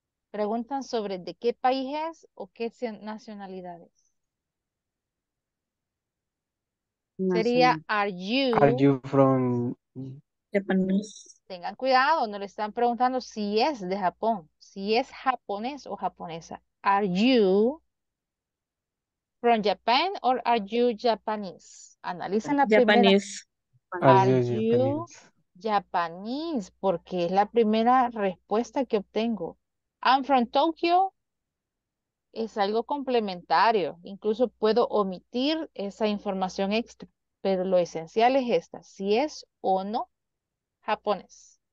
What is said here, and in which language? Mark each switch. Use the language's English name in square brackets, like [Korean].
[Spanish] Preguntan sobre de qué países o qué nacionalidades. No, sería, sí. [English] Are you from Japanese? [Spanish] Tengan cuidado, no le están preguntando si es de Japón, si es japonés o japonesa. [English] Are you from Japan or are you Japanese? [Spanish] Analizan la [English] Japanese. [Spanish] Primera. [English] Are you [Spanish] Japanese, porque es la primera respuesta que obtengo. [English] I'm from Tokyo. [Spanish] Es algo complementario. Incluso puedo omitir esa información extra. Pero lo esencial es esta. Si es o no, japonés.